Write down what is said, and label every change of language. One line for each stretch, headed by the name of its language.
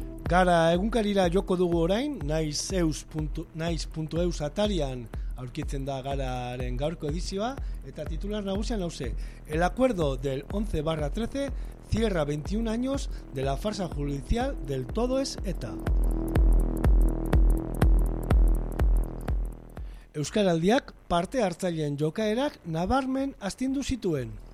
Basque: Gara egunkarira joko dugu orain, naiz.eus atarian aurkitzen da Gararen gaurko edizioa, eta titular nagusian hause.
Spanish: El acuerdo del 11/13 cierra 21 años de la farsa judicial del todo es ETA.
Basque: Euskaraldiak parte hartzaileen jokaerak nabarmen astindu zituen.